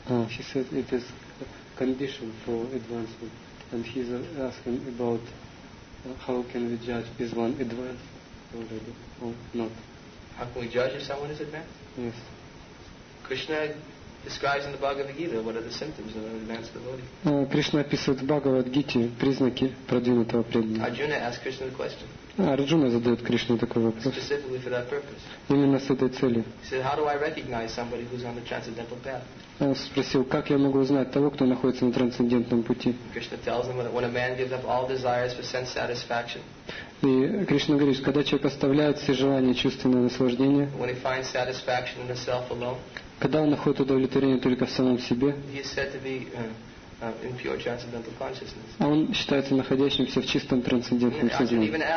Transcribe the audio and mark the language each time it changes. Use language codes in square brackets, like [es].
[en] She said it is a condition for advancement. And he's asking about how can we judge is one advanced already or not. How can we judge if someone is advanced? Yes. Krishna describes in the Bhagavad Gita what are the symptoms of an advanced devotee. [ru] Krishna описывает в Bhagavad Gita признаки продвинутого преданного. [en] Arjuna asks Krishna the question. [ru] Арджуна задает Кришне такой вопрос. [en] Specifically for that purpose. [ru] Именно с этой целью. [en] He said, how do I recognize somebody who's on the transcendental path? [ru] Он спросил, как я могу узнать того, кто находится на трансцендентном пути? [en] Krishna tells him that when a man gives up all desires for sense satisfaction. [ru] И Кришна говорит, что когда человек оставляет все желания чувственного наслаждения, [en] when he finds satisfaction in the self alone, [ru] когда он находит удовлетворение только в самом себе, [en] he is said to be in pure transcendental consciousness. [ru] А он считается находящимся в чистом трансцендентном сознании.